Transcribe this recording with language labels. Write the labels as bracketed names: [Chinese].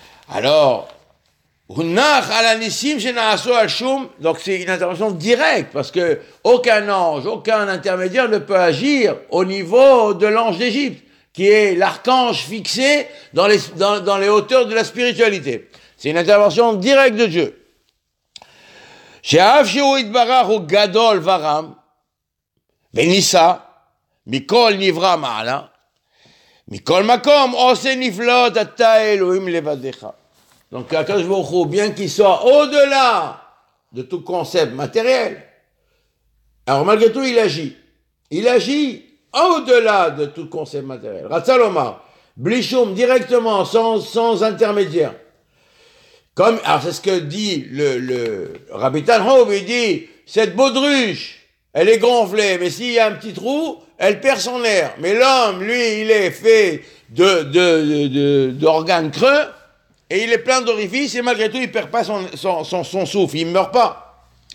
[French] Alors, hunach al anisim shenaasu al shum, donc c'est une intervention directe parce que aucun ange, aucun intermédiaire ne peut agir au niveau de l'ange d'Égypte, qui est l'archange fixé dans les hauteurs de la spiritualité. C'est une intervention directe de Dieu. [Hebrew] שאף שהוא יתברך הוא גדול ורם, וניסה מכל נברא מעלה, מכל מקום עושה נפלאות אתה אלוהים לבדך. [French] Donc הקדוש ברוך הוא, bien qu'il soit au-delà de tout concept matériel, alors malgré tout il agit au-delà de tout concept matériel. [Hebrew] רצה לומר, בלי שום, directement, sans intermédiaire. [French] Comme, alors c'est ce que dit le Rabbi Tanhoub, il dit, cette baudruche, elle est gonflée, mais s'il y a un petit trou, elle perd son air. Mais l'homme, lui, il est fait d'organes creux, et il est plein d'orifices, et malgré tout, il perd pas son souffle, il meurt pas.